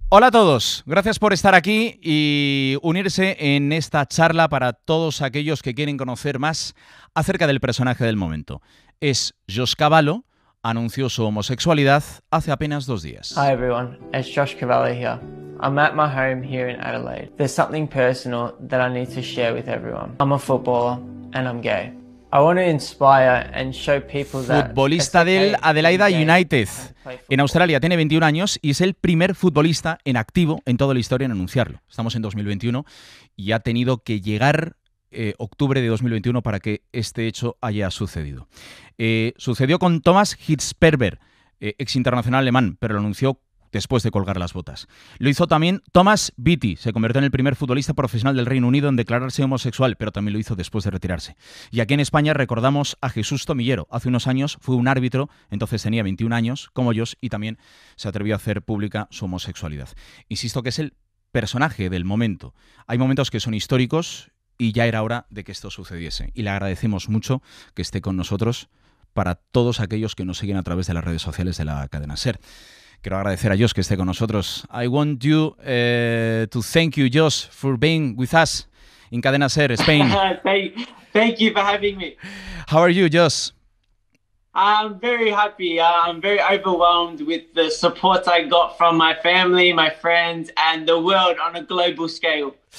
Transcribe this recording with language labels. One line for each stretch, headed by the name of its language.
Spanish: Hola a todos, gracias por estar aquí y unirse en esta charla para todos aquellos que quieren conocer más acerca del personaje del momento. Es Josh Cavallo, anunció su homosexualidad hace apenas dos días.
English: Hi everyone, it's Josh Cavallo here. I'm at my home here in Adelaide. There's something personal that I need to share with everyone. I'm a footballer and I'm gay. I want to inspire and show people that
Spanish: futbolista del Adelaide United en Australia, tiene 21 años y es el primer futbolista en activo en toda la historia en anunciarlo. Estamos en 2021 y ha tenido que llegar octubre de 2021 para que este hecho haya sucedido. Sucedió con Thomas Hitzlsperger, ex internacional alemán, pero lo anunció después de colgar las botas. Lo hizo también Thomas Beattie, se convirtió en el primer futbolista profesional del Reino Unido en declararse homosexual, pero también lo hizo después de retirarse. Y aquí en España recordamos a Jesús Tomillero. Hace unos años fue un árbitro, entonces tenía 21 años, como ellos, y también se atrevió a hacer pública su homosexualidad. Insisto que es el personaje del momento. Hay momentos que son históricos y ya era hora de que esto sucediese. Y le agradecemos mucho que esté con nosotros para todos aquellos que nos siguen a través de las redes sociales de la cadena SER. Quiero agradecer a Josh que esté con nosotros.
English: I want you to thank you, Josh, for being with us in Cadena Ser, Spain. thank you for having me. How are you, Josh? I'm very happy. I'm very overwhelmed with the support I got from my family, my friends, and the world on a global scale.